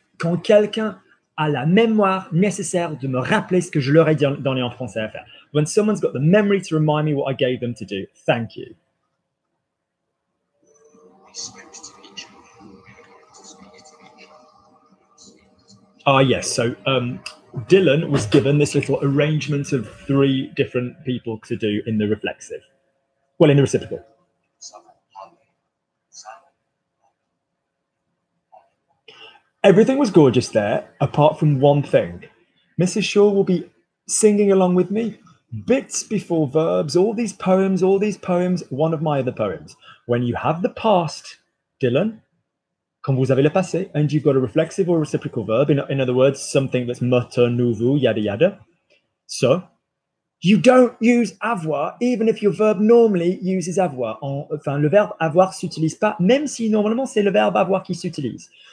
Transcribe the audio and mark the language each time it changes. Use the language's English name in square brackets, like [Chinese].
[French] Quand quelqu'un a la mémoire nécessaire de me rappeler ce que je leur ai dit dans les en français à faire. [English] When someone's got the memory to remind me what I gave them to do, thank you. Yes. So Dylan was given this little arrangement of three different people to do in the reflexive. Well, in the reciprocal. Everything was gorgeous there, apart from one thing. Mrs. Shaw will be singing along with me. Bits before verbs, all these poems, one of my other poems. When you have the past, Dylan, [French] quand vous avez le passé, [English] and you've got a reflexive or reciprocal verb, in other words, something that's mutter, nouveau, yada yada. So, you don't use avoir, even if your verb normally uses avoir. [French] Enfin, le verbe avoir s'utilise pas, même si normalement c'est le verbe avoir qui s'utilise.